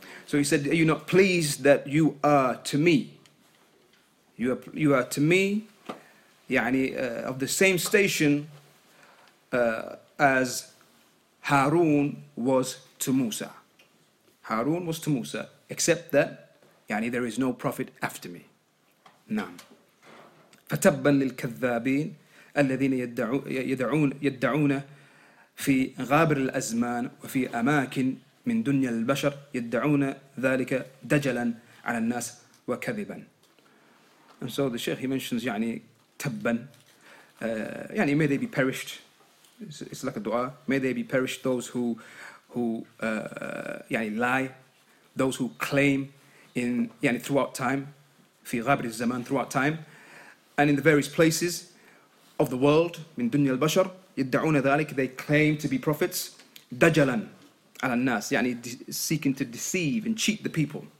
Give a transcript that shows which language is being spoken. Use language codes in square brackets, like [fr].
[en] So he said, are you not pleased that you are to me? You are to me, yani of the same station as Harun was to Musa. Harun was to Musa, except that yani there is no prophet after me. [ar] Naam. فَتَبَّا لِلْكَذَّابِينَ الذين يدعون يدعون في غابر الأزمان وفي أماكن من دنيا البشر يدعون ذلك دجلا على الناس وكذبا. [en] And so the Sheikh, he mentions يعني تبا يعني may they be perished, it's like a dua, may they be perished those who يعني lie, those who claim in يعني throughout time, [ar] في غابر الزمان [en] throughout time, and in the various places of the world, [ar] min dunya al-bashar, yadda'una dhalik, [en] they claim to be prophets, [ar] dajalan ala nas, [en] yani seeking to deceive and cheat the people.